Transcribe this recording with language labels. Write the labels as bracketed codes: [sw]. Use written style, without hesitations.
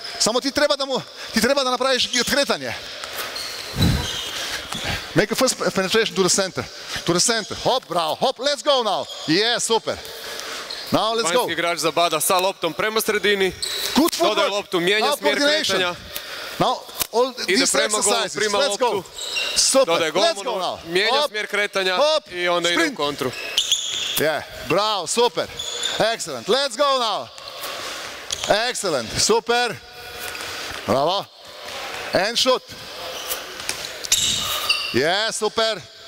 [bs] Samo ti treba da napraviš kretanje. [en] Make a first penetration to the center. To the center, hop, bravo, hop, let's go now. Yes, super. Now let's go. [bs] Vanjski igrač zabada sa loptom prema sredini. [en] Good footwork. [bs] Dodaje loptu, mijenja smjer kretanja. [en] Now, all these exercises, let's go. Super, let's go now. [bs] Mijenja smjer kretanja i onda ide u kontru. [en] Yeah, bravo, super. Excellent, let's go now. Excellent, super, bravo, and shoot, yes, super,